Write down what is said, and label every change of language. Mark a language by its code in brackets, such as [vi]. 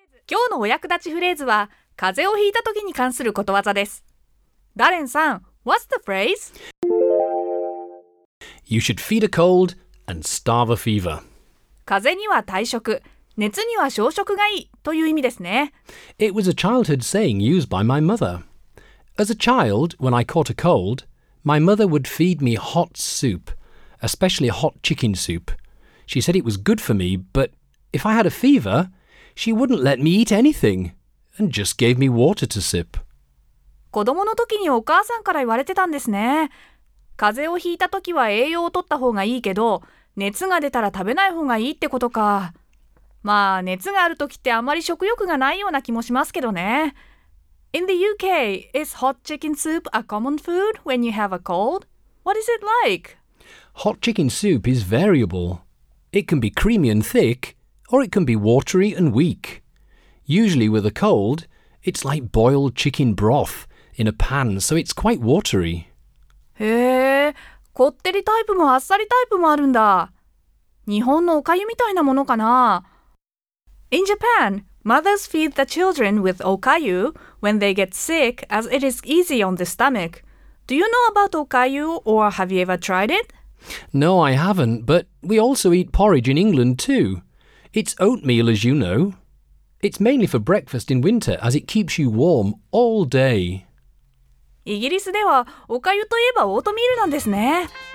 [ja] 今日のお役立ちフレーズは風邪をひいた時に関することわざです。 [en] ダレンさん、What's the phrase? You should feed a cold and starve a fever. [ja] 風邪には退食、熱には消食がいいという意味ですね。 [en] It was a childhood saying used by my mother. As a child, when I caught a cold, my mother would feed me hot soup, especially hot chicken soup. She said it was good for me, but if I had a fever, she wouldn't let me eat anything and just gave me water to sip. [ja] 子供の時にお母さんから言われてたんですね。風邪をひいた時は栄養を取った方がいいけど、熱が出たら食べない方がいいってことか。まあ、熱がある時ってあまり食欲がないような気もしますけどね。 [en] In the UK, is hot chicken soup a common food when you have a cold? What is it like? Hot chicken soup is variable. It can be creamy and thick, or it can be watery and weak. Usually with a cold, it's like boiled chicken broth in a pan, so it's quite watery. [ja] へえ、こってりタイプもあっさりタイプもあるんだ。日本のおかゆみたいなものかな? [en] In Japan, mothers feed the children with okayu when they get sick as it is easy on the stomach. Do you know about okayu or have you ever tried it? No, I haven't, but we also eat porridge in England too. It's oatmeal, as you know. It's mainly for breakfast in winter, as it keeps you warm all day. [ja] イギリスではおかゆといえばオートミールなんですね。